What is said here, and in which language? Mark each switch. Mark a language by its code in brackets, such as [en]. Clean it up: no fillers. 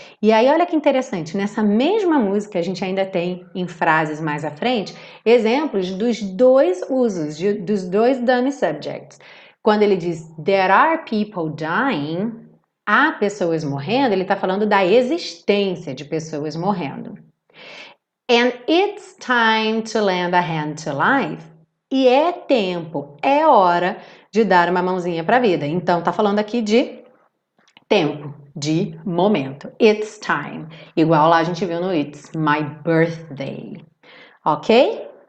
[pt] E aí, olha que interessante, nessa mesma música a gente ainda tem em frases mais à frente exemplos dos dois usos, dos dois dummy subjects. Quando ele diz [en] there are people dying, [pt] há pessoas morrendo, ele está falando da existência de pessoas morrendo. [en] And it's time to lend a hand to life. [pt] E é tempo, é hora de dar uma mãozinha para a vida. Então, tá falando aqui de tempo, de momento. [en] It's time. [pt] Igual lá a gente viu no It's my birthday. Ok?